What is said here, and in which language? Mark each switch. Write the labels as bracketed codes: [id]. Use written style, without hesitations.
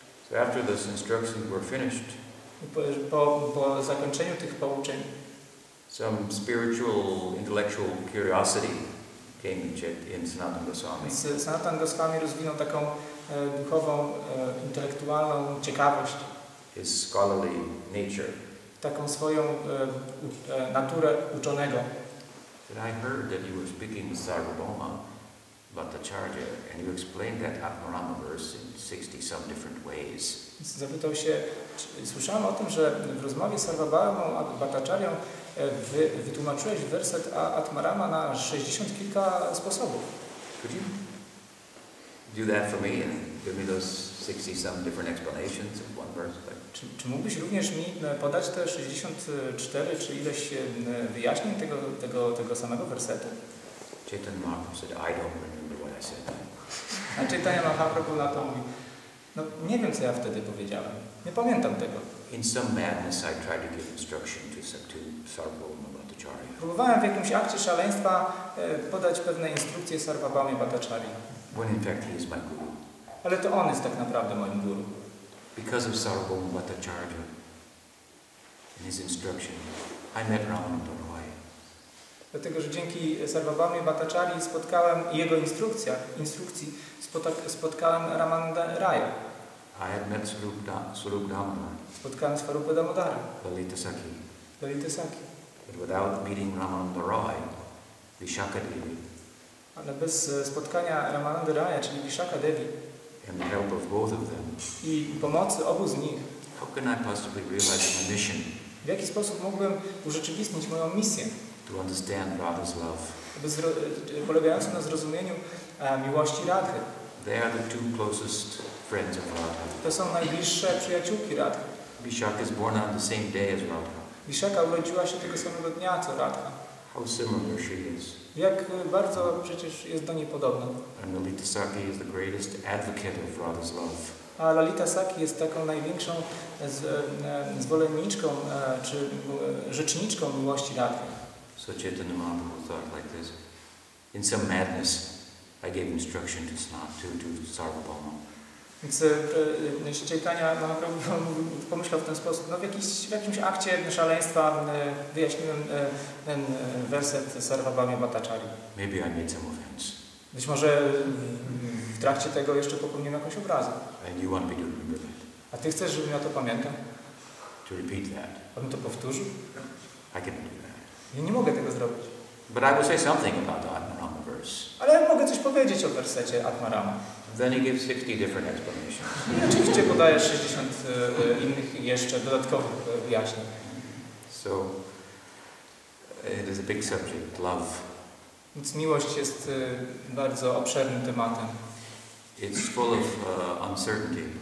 [en] So after those instructions were finished, [pl] po zakończeniu tych pouczeń, [en] some spiritual intellectual curiosity came in Sanatana Goswami. [pl] Sanatana Goswami rozwinął taką duchową, intelektualną ciekawość. [en] His scholarly nature. [pl] Taką swoją naturę uczonego. [en] That I heard that you were speaking with Sarvabhauma Bhattacharya, and you explained that Atmarama verse in 60 some different ways. [pl] Zapytał się, słyszałem o tym, że w rozmowie z Sarvabhauma Bhattacharya wytłumaczyłeś werset Atmarama na 60 kilka sposobów. [en] Could you do that for me and give me those 60 some different explanations of one verse? [pl] Czy mógłbyś również mi podać te 64, czy ileś wyjaśnień tego samego wersetu? [en] Chaitanya Mahaprabhu said, I don't remember what I said. [pl] A Chaitanya Mahaprabhu na to mówi, no nie wiem, co ja wtedy powiedziałem. Nie pamiętam tego. [en] In some madness I tried to give instruction to Sarvabhauma Bhattacharya. [pl] Próbowałem w jakimś akcie szaleństwa podać pewne instrukcje Sarvabhauma Bhattacharya. [en] When in fact he is my guru. [pl] Ale to on jest tak naprawdę moim guru. [en] Because of Sarvabhauma Bhattacharya and his instruction, I met Ramana Dharmai. [pl] Dlatego, że dzięki Sarvabhauma Bhattacharya spotkałem jego instrukcji, spotkałem Ramana Raya. [en] I had met Swarup Damodara. [pl] Spotkałem Swarupa Damodara. [en] Lalita Sakhi. [pl] Lalita Sakhi. [en] But without meeting Ramananda Rai, Vishakha Devi. [pl] Ale bez spotkania Ramananda Raya, czyli Vishakha Devi. [en] And the help of both of them. [pl] I pomocy obu z nich. [en] How can I possibly realize my mission? [pl] W jaki sposób mogłem urzeczywistnić moją misję? [en] To understand Radha's love. [pl] Polegającą na zrozumieniu miłości Radhy. [en] They are the two closest friends of Radha. [pl] To są najbliższe przyjaciółki Radha. [en] Vishakha is born on the same day as Radha. [pl] Vishakha urodziła się tego samego dnia co Radha. [en] How similar she is. [pl] Jak bardzo przecież jest do niej podobna. [en] And Lalita Sakhi is the greatest advocate of Radha's love. [pl] A Lalita Sakhi jest taką największą zwolenniczką czy rzeczniczką miłości Radha. [en] So Chaitanya Mahaprabhu thought like this. In some madness, I gave instruction to Sarvabhauma. [pl] Więc Chaitanya Mahaprabhu pomyślał w ten sposób. No w jakimś akcie szaleństwa wyjaśniłem ten werset Sarvabhauma Bhattacharya. [en] Maybe I made some offense. [pl] Być może w trakcie tego jeszcze popełniłem jakąś obrazę. [en] And you want me to remember that. [pl] A ty chcesz, żebym ja to pamiętał? [en] To repeat that. [pl] Abym to powtórzył? [en] I can do that. [pl] Ja nie mogę tego zrobić. [en] But I will say something about the Atmarama verse. [pl] Ale ja mogę coś powiedzieć o wersecie Atmarama. [en] Then he gives 60 different explanations. [pl] Oczywiście podaje 60 innych jeszcze dodatkowych wyjaśnień. [en] So, it is a big subject, love. [pl] Więc miłość jest bardzo obszernym tematem. [en] It's full of uncertainty.